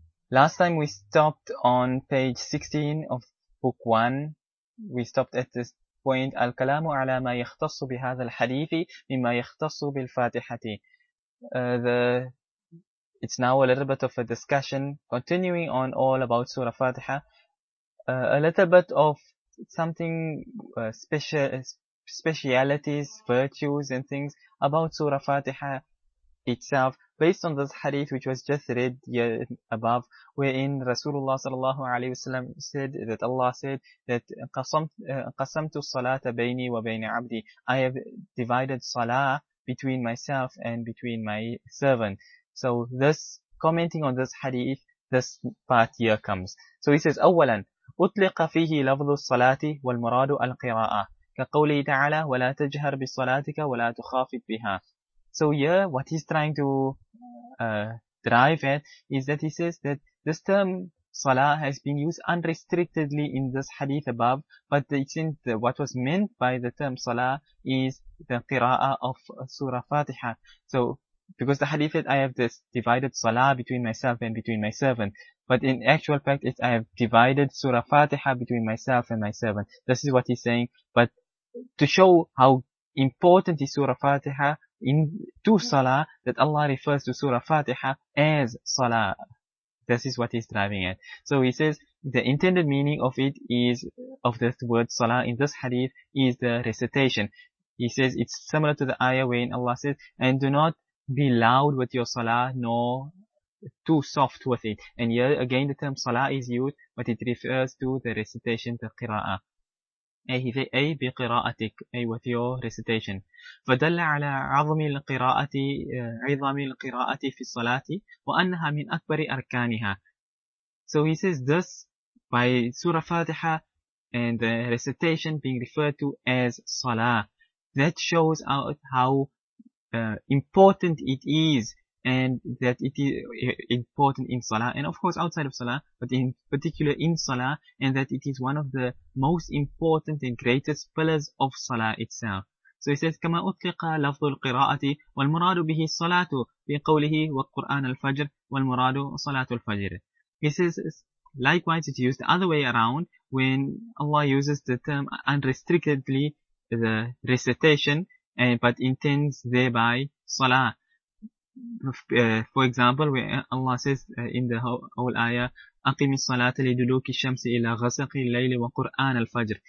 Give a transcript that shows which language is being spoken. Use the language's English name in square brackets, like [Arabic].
[English] Last time we stopped on page 16 of book 1, we stopped at this point. [Arabic] الكلام على ما يختص بهذا الحديث مما يختص بالفاتحة. [English] It's now a little bit of a discussion, continuing on all about Surah Fatiha. A little bit of something specialities, virtues and things about Surah Fatiha itself. Based on this hadith which was just read above, wherein Rasulullah sallallahu alayhi wasallam said that Allah said that [Arabic] قَسَمْتُ الصَّلَاةَ بَيْنِي وَبَيْنِ عَبْدِي, [English] I have divided salah between myself and between my servant. So this, commenting on this hadith, this part here comes. So he says, [Arabic] أولاً أطلق فيه لفظ الصلاة والمراد القراءة كقوله تعالى ولا تجهر بصلاتك ولا تخافت بها. [English] So here, what he's trying to drive at is that he says that this term salah has been used unrestrictedly in this hadith above, but it seems that what was meant by the term salah is the qira'ah of Surah Fatiha. So, because the hadith said, I have this divided salah between myself and between my servant. But in actual fact, it's I have divided Surah Fatiha between myself and my servant. This is what he's saying. But to show how important is Surah Fatiha, in to Salah, that Allah refers to Surah Fatiha as Salah. This is what he's driving at. So he says, the intended meaning of it is, of the word Salah in this hadith, is the recitation. He says, it's similar to the ayah wherein Allah says, and do not be loud with your Salah, nor too soft with it. And here again the term Salah is used, but it refers to the recitation, the Qira'ah. [Arabic] أي بقراءتك أي [English] with your recitation. [Arabic] فدل على عظم القراءة عظم القراءة في الصلاة وأنها من أكبر أركانها. [English] So he says this by Surah Fatiha and the recitation being referred to as Salah. That shows out how important it is and that it is important in Salah, and of course outside of Salah, but in particular in Salah, and that it is one of the most important and greatest pillars of Salah itself. So he says, [Arabic] كَمَا أُطْلِقَ لَفْظُ الْقِرَاءَةِ وَالْمُرَادُ بِهِ الصَّلَاةُ بِقَوْلِهِ وَالْقُرْآنَ الْفَجْرِ وَالْمُرَادُ صَلَاةُ الْفَجْرِ. [English] He says, likewise it's used the other way around, when Allah uses the term unrestrictedly, the recitation, but intends thereby Salah. For example, where Allah says in the whole ayah, [Arabic] أَقِمِ الصَّلَاةَ لِدُلُوكِ الشَّمْسِ إِلَىٰ غَسَقِ اللَّيْلِ وَقُرْآنَ الْفَجْرِ.